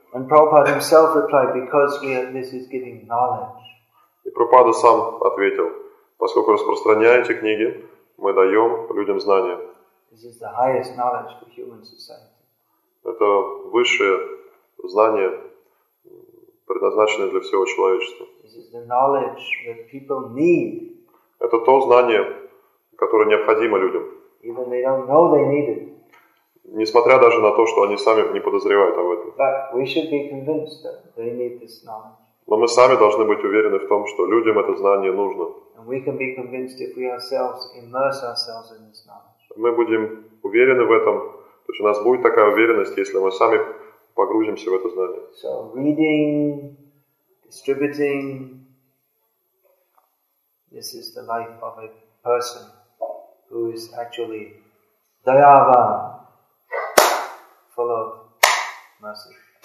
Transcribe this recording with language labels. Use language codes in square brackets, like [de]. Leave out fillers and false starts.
[en] And Prabhupada himself replied, because we are, this is giving knowledge. [ru] И Прабхупада сам ответил, поскольку распространяя эти книги, мы даем людям знания. [en] This is the highest knowledge for human society. [ru] Это высшее знание, предназначены для всего человечества. [en] This is the knowledge that people need. [ru] Это то знание, которое необходимо людям. [en] Even they don't know they need it. [ru] несмотря даже на то, что они сами не подозревают об этом. [en] But we should be convinced that they need this knowledge. [ru] Но мы сами должны быть уверены в том, что людям это знание нужно. [en] And we can be convinced if we ourselves immerse ourselves in this knowledge. [ru] Мы будем уверены в этом, то есть у нас будет такая уверенность, если мы сами погрузимся в это знание. [en] So reading, distributing, this is the life of a person who is actually dayava, full of mercy.